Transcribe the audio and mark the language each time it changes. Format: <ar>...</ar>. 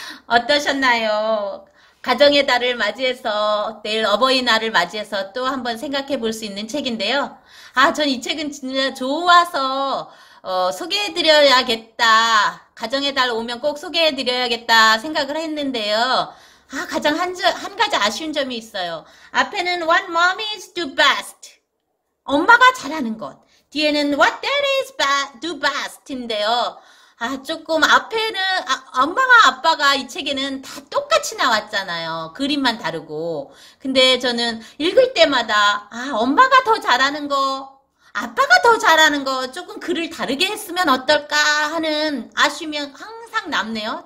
<ko>어떠셨나요? 가정의 달을 맞이해서, 내일 어버이날을 맞이해서 또 한번 생각해 볼 수 있는 책인데요. 아, 전 이 책은 진짜 좋아서 소개해 드려야겠다. 가정의 달 오면 꼭 소개해 드려야겠다 생각을 했는데요. 아, 가장 한 가지 아쉬운 점이 있어요. 앞에는</ko> <en>what mommies do best.</en> <ko>엄마가 잘하는 것. 뒤에는</ko> <en>what daddies do best</en> <ko>인데요. 아, 조금 앞에는, 엄마가 아빠가 이 책에는 다 똑같이 나왔잖아요. 그림만 다르고. 근데 저는 읽을 때마다, 아, 엄마가 더 잘하는 거, 아빠가 더 잘하는 거, 조금 글을 다르게 했으면 어떨까 하는 아쉬움이 항상 남네요.</ko>